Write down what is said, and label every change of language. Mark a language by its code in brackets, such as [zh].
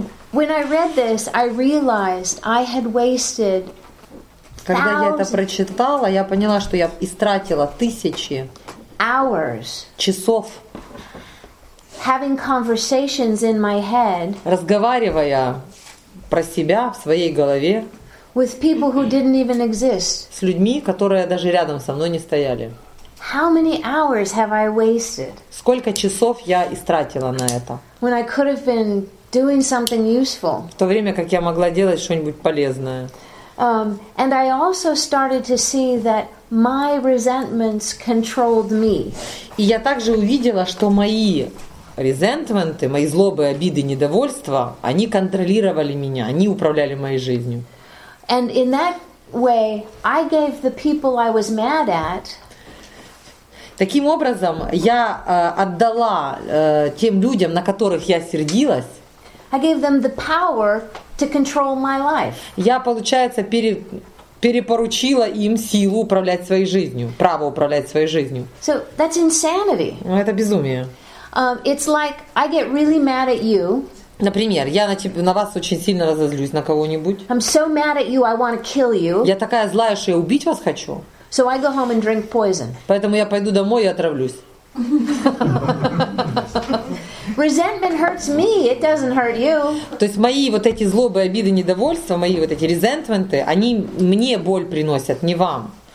[en] When I read this, I realized I had wasted. [ru] Когда я это прочитала, я поняла, что я истратила тысячи [en] hours [ru] часов [en] having conversations in my head, [ru] разговаривая про себя в своей голове [en] with people who didn't even exist. [ru] С людьми, которые даже рядом со мной не стояли. [en] How many hours have I wasted? [ru] Сколько часов я истратила на это? [en] When I could have been doing something useful. [ru] В то время, как я могла делать что-нибудь полезное. [en] And I also started to see that my resentments controlled me. [ru] И я также увидела, что мои резентменты, мои злобы, обиды, недовольства, они контролировали меня, они управляли моей жизнью. [en] And in that way, I gave the people I was mad at. [ru] Таким образом, я отдала тем людям, на которых я сердилась. [en] I gave them the power to control my life. [ru] Я, получается, перепоручила им силу управлять своей жизнью, право управлять своей жизнью. [en] So that's insanity. [ru] Это безумие. [en] It's like I get really mad at you. [ru] Например, я на вас очень сильно разозлюсь на кого-нибудь. [en] I'm so mad at you, I want to kill you. [ru] Я такая злая, что я убить вас хочу. [en] So I go home and drink poison. [ru] Поэтому я пойду домой и отравлюсь. [en] Resentment hurts me, it doesn't hurt you. [ru] То есть мои вот эти злобы, обиды, недовольства, мои вот эти резентменты, они мне боль приносят, не вам.